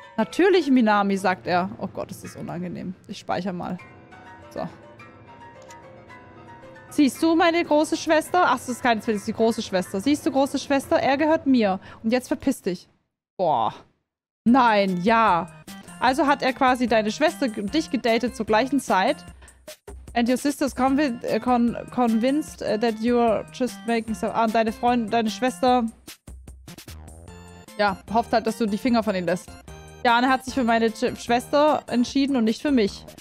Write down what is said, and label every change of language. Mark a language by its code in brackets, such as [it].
[de] Natürlich, Minami, sagt er. Oh Gott, ist das unangenehm. Ich speichere mal. So. Siehst du, meine große Schwester? Ach, das ist keine Zwillinge, das ist die große Schwester. Siehst du, große Schwester? Er gehört mir. Und jetzt verpiss dich. Boah. Nein, ja. Also hat er quasi deine Schwester und dich gedatet zur gleichen Zeit. [en] And your sister's convinced that you're just making some... [de] Ah, deine Freundin, deine Schwester... Ja, hofft halt, dass du die Finger von ihm lässt. Jan hat sich für meine Schwester entschieden und nicht für mich.